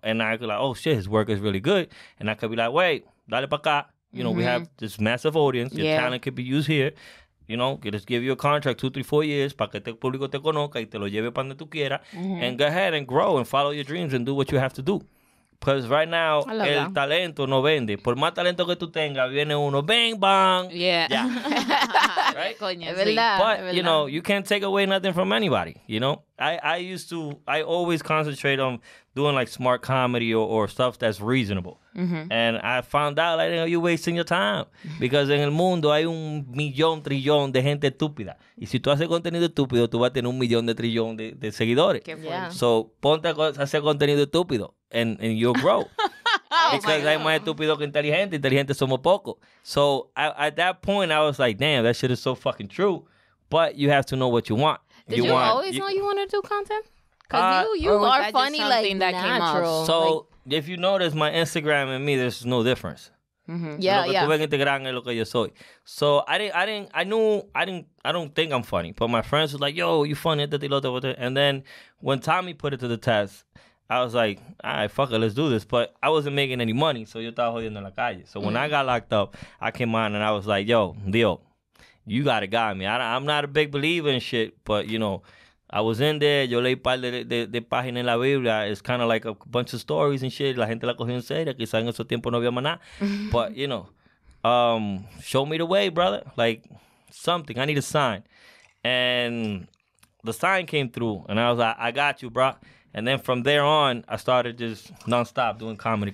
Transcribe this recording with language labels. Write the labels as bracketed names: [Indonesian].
[English] And I could be like, oh, shit, his work is really good. And I could be like, wait, [Spanish] dale pa'cá. [English] You know, mm-hmm. we have this massive audience. Your yeah. talent could be used here. You know, [Spanish] que les [English] give you a contract 2-4 years [Spanish] para que el público te conozca y te lo lleve para donde tú quieras. [English] Mm-hmm. And go ahead and grow and follow your dreams and do what you have to do. Because right now, el that. [Spanish] Talento no vende. Por más talento que tú tengas, viene uno, bang, bang. [English] Yeah. Yeah. [Spanish] Right? Coño, es verdad. [English] But, you know, you can't take away nothing from anybody, you know? I always concentrate on doing, like, smart comedy or stuff that's reasonable. Mm-hmm. And I found out, like, you're wasting your time. Because [Spanish] en el mundo hay un millón, trillón de gente estúpida. Y si tú haces contenido estúpido, tú vas a tener un millón de trillón de seguidores. Qué bueno. [English] Yeah. [Spanish] So, ponte a hacer contenido estúpido. [English] And you'll grow. Because [Spanish] hay más estúpido que inteligente. Inteligente somos poco. [English] So, at that point, I was like, damn, that shit is so fucking true. But you have to know what you want. Did you always know you wanted to do content? Because you are funny, like, that natural. Came out. So, like, if you notice my Instagram and me, there's no difference. Mm-hmm. Yeah, [Spanish] lo que [English] yeah. I don't think I'm funny. But my friends were like, yo, you funny. And then when Tommy put it to the test, I was like, all right, fuck it, let's do this. But I wasn't making any money, so [Spanish] yo estaba jodiendo en la calle. [English] So when I got locked up, I came on and I was like, yo, Dio, you got to guide me. I'm not a big believer in shit, but, you know, I was in there. [Spanish] Yo leí par de páginas en la Biblia. [English] It's kind of like a bunch of stories and shit. [Spanish] La gente la cogió en serio. Quizás en esos tiempos no había maná. [English] But, you know, show me the way, brother. Like, something. I need a sign. And the sign came through, and I was like, I got you, bro. And then from there on, I started just nonstop doing comedy.